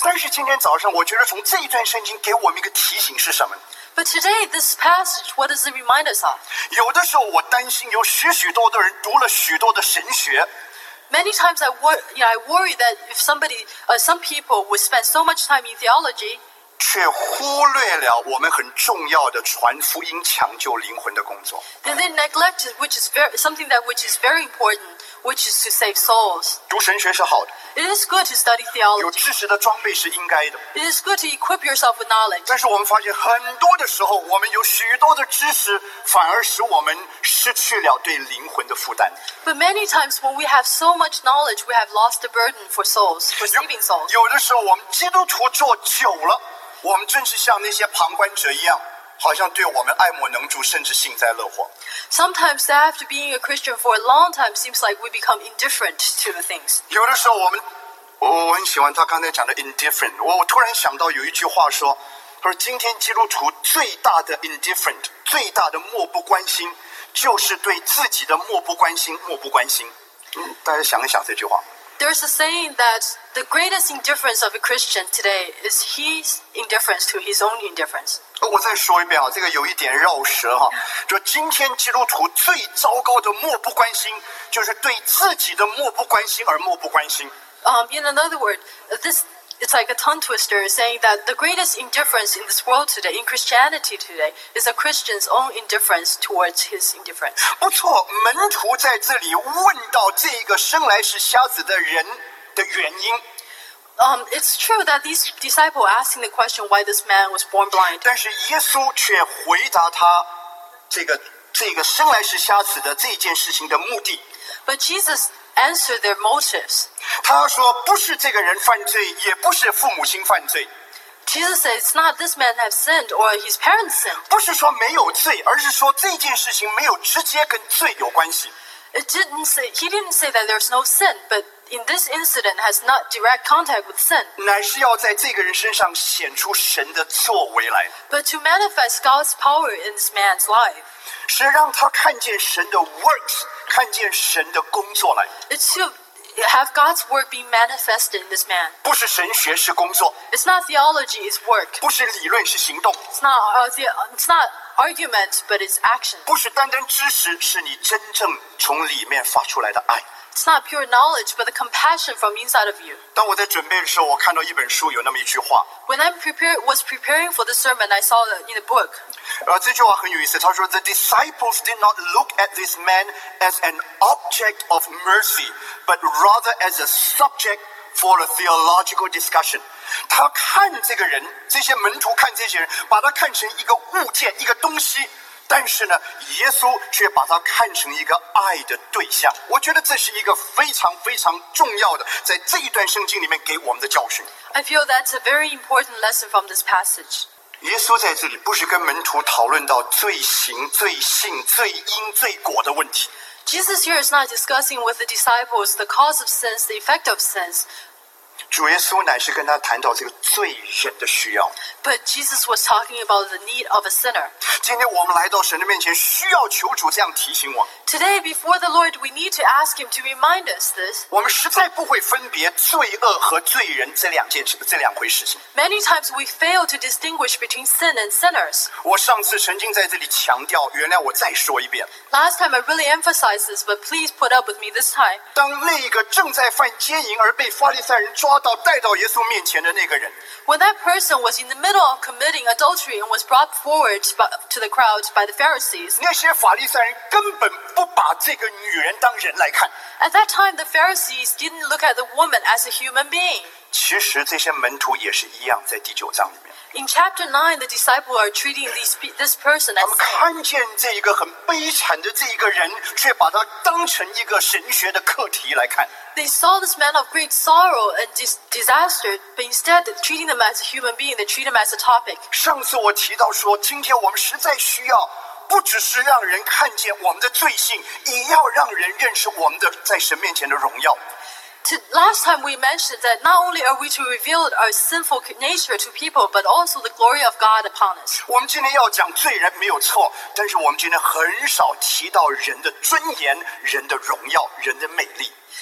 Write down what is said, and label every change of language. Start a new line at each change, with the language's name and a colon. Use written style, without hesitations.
Chinese: 但是今天早上，我觉得从这一段圣经给我们一个提醒是什么？
English: But today, this passage, what does it remind us of?
Chinese: 有的时候我担心，有许许多多人读了许多的神学。
English: Many times I worry that if some people would spend so much time in theology.
Chinese: 却忽略了我们很重要的传福音、抢救灵魂的工作。
English: They neglected which is very important, which is to save souls.
Chinese: 读神学是好的。
English: It is good to study theology.
Chinese: 有知识的装备是应该的。
English: It is good to equip yourself with knowledge.
Chinese: 但是我们发现很多的时候，我们有许多的知识，反而使我们失去了对灵魂的负担。
English: But many times when we have so much knowledge, we have lost the burden for souls, for saving souls.
Chinese: 有的时候我们基督徒做久了。我们真是像那些旁观者一样，好像对我们爱莫能助，甚至幸灾乐祸。
English: Sometimes after being a Christian for a long time, seems like we become indifferent to the things.
Chinese: 有的时候我很喜欢他刚才讲的 indifferent。我突然想到有一句话说，他说今天基督徒最大的 indifferent， 最大的漠不关心，就是对自己的漠不关心，漠不关心。大家想一想这句话。
English: There's a saying that the greatest indifference of a Christian today is his indifference to his own indifference.
Chinese: 我再说一遍啊，这个有一点绕舌哈。就今天基督徒最糟糕的漠不关心，就是对自己的漠不关心而漠不关心。
English: In another word, this it's like a tongue twister saying that the greatest indifference in this world today, in Christianity today, is a Christian's own indifference towards his indifference.
Chinese: 不错，门徒在这里问到这个生来是瞎子的人的原因。
English: It's true that these disciples asking the question why this man was born blind.
Chinese: 但是耶稣却回答他这个生来是瞎子的这件事情的目的。
English: But Jesus. Answer their motives.
Chinese: 他说：“不是这个人犯罪，也不是父母亲犯罪。”
English: Jesus said it's not this man has sinned or his parents sinned.
Chinese: 不是说没有罪，而是说这件事情没有直接跟罪有关系。
English: He didn't say that there's no sin, but in this incident has not direct contact with sin.
Chinese: 乃是要在这个人身上显出神的作为来。
English: But to manifest God's power in this man's life.
Chinese: 是让他看见神的 works, 看见神的工作来。
English: It's to have God's work be manifested in this man.
Chinese: 不是神学是工作。
English: It's not theology, it's work.
Chinese: 不是理论是行动。
English: It's not argument, but it's action.
Chinese: 不是单单知识，是你真正从里面发出来的爱。
English: It's not pure knowledge, but the compassion from inside of you.
Chinese: 当我在准备的时候，我看到一本书有那么一句话。
English: When I was preparing for the sermon, I saw it in the book.
Chinese: 这句话很有意思，他说
English: The disciples did not look at this man as an object of mercy, but rather as a subject for a theological discussion.
Chinese: 他看这个人，这些门徒看这些人，把他看成一个物件，一个东西。但是呢，耶稣却把他看成一个爱的对象。我觉得这是一个非常非常重要的，在这一段圣经里面给我们的教训。
English: I feel that's a very important lesson from this passage.
Chinese: 耶稣在这里不是跟门徒讨论到罪行、罪性、罪因、罪果的问题。
English: Jesus here is not discussing with the disciples the cause of sins, the effect of sins.
Chinese: 主耶稣乃是跟他谈到这个罪人的需要。
English: But Jesus was talking about the need of a sinner.
Chinese: 今天我们来到神的面前，需要求主这样提醒我。
English: Today, before the Lord, we need to ask him to remind us this.
Chinese: 我们实在不会分别罪恶和罪人这两回事情。
English: Many times we fail to distinguish between sin and sinners.
Chinese: 我上次曾经在这里强调，原谅我再说一遍。
English: Last time I really emphasized this, but please put up with me this time.
Chinese: 当那个正在犯奸淫而被法利赛人抓到带到耶稣面前的那个人。
English: When that person was in the middle of committing adultery and was brought forward to the crowd by the Pharisees.
Chinese: 那些法利赛人根本不把这个女人当人来看。
English: At that time, the Pharisees didn't look at the woman as a human being.
Chinese: 其实这些门徒也是一样，在第九章里面。
English: In chapter 9, the disciples are treating this person as.
Chinese: 他们看见这一个很悲惨的这一个人，却把他当成一个神学的课题来看。
English: They saw this man of great sorrow and disaster, but instead treating him as a human being, they treat him as a topic.
Chinese: 上次我提到说，今天我们实在需要。不只是让人看见我们的罪性，也要让人认识我们的在神面前的荣耀。
English: Last time we mentioned that not only are we to reveal our sinful nature to people, but also the glory of God upon us.
Chinese: 我们今天要讲罪人没有错，但是我们今天很少提到人的尊严、人的荣耀、人的美丽。